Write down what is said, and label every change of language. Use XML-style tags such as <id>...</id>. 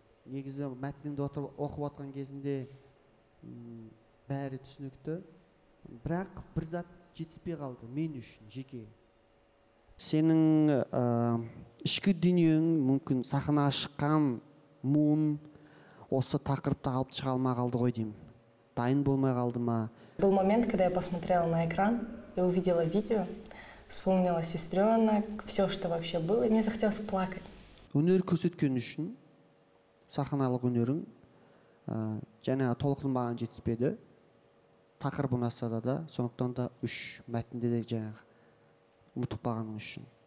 <kk>Негізі мәтінді оқып отқан кезінде бәрі түсінікті. Бірақ бір зат жетіспей қалды мен үшін жеке. Сенің ішкі дүниең мүмкін сахна шыққан мұн осы тақырыпты алып шыға алмай қалды ғой деймін. Дайын болмай қалды ма?</kk> <ru>Был момент, когда я посмотрела на экран и увидела видео, вспомнила сестренок, все, что вообще было, и мне захотелось плакать.</ru> <kk>Өнер көрсеткен үшін сахналық өнерің және толықтың маған жетіспеді. Тақырып ұнаса да, сондықтан да үш мәтінде де жаңағы ұмытып қалғаның үшін.</kk>